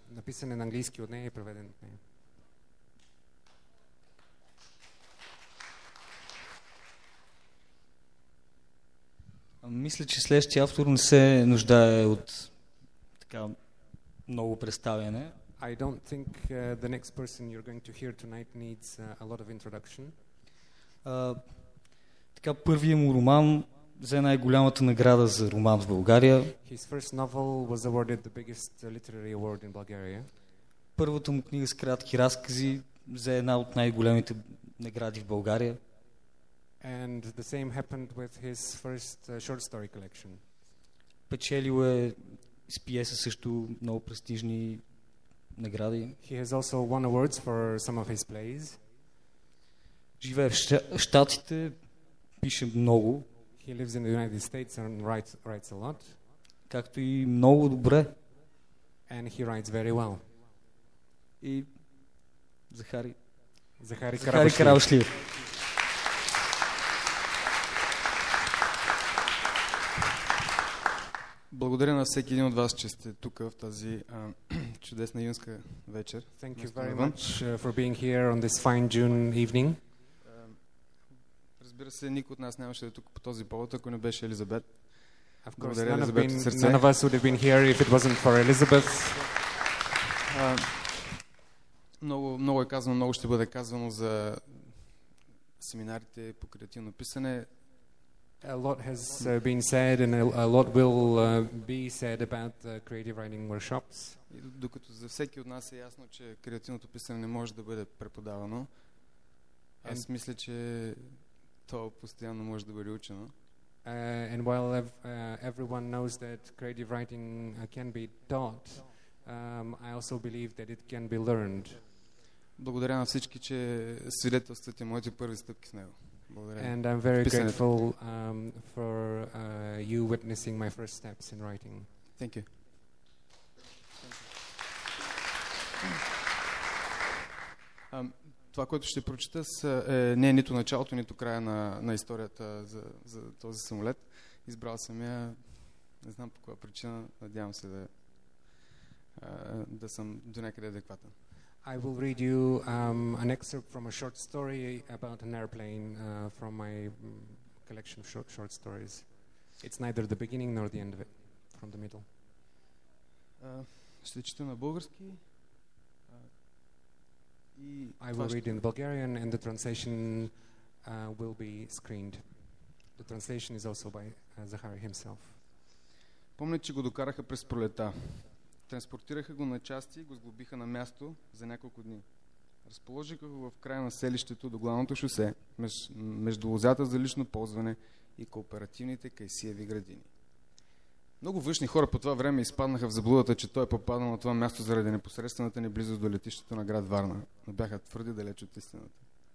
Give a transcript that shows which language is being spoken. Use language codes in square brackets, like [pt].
[bg] Написан е на английски от нея и преведен от нея. Мисля, че следващия автор не се нуждае от така много представяне. [en] I don't think the next person you're going to hear tonight needs a lot of introduction. [bg] Така първият му роман взе най-голямата награда за роман в България. [en] His first novel was awarded the biggest literary award in Bulgaria. [bg] Първата му книга с кратки разкази взе една от най-големите награди в България. [en] And the same happened with his first short story collection. [bg] Печелил е с пиеса също много престижни награди. [en] He has also won awards for some of his plays. [bg] Живее в Щатите, пише много. [en] He lives in the United States and writes a lot. [bg] Както и много добре. [en] And he writes very well. [bg] И Захари Карабашлиев. Благодаря на всеки един от вас, че сте тук в тази чудесна юнска вечер. [en] Thank you very much for being here on this fine June evening. [bg] Разбира се, никой от нас нямаше да е тук по този повод, ако не беше Елизабет. [en] Of course, [bg] благодаря, Елизабет, от сърце. [en] None of us would have been here if it wasn't for Elizabeth. [bg] Много е казано, много ще бъде казано за семинарите по креативно писане. [en] A lot has been said and a lot will be said about creative writing workshops. [bg] Докато за всеки от нас е ясно, че креативното писане не може да бъде преподавано, аз мисля, че то постоянно може да бъде учено. [en] And while everyone knows that creative writing can be taught, I also believe that it can be learned. [bg] Благодаря на всички, че свидетелствате моите първи стъпки с него. [en] And I'm very grateful for you witnessing my first steps in writing. Thank you. [bg] Това, което ще прочита, не е нито началото, нито края на историята за този самолет. Избрал съм я, не знам по коя причина, надявам се да съм до някъде адекватен. [en] I will read you an excerpt from a short story about an airplane from my collection of short stories. It's neither the beginning nor the end of it, from the middle. [bg] Ще чета на български. [en] I will read in Bulgarian and the translation will be screened. The translation is also by Захари himself. [bg] Помня, че го докараха през пролета. Транспортираха го на части и го сглобиха на място за няколко дни. Разположиха го в края на селището до главното шосе, между лозята за лично ползване и кооперативните Кайсиеви градини. Много външни хора по това време изпаднаха в заблудата, че той е попаднал на това място заради непосредствената ни близост до летището на град Варна, но бяха твърде далеч от истината.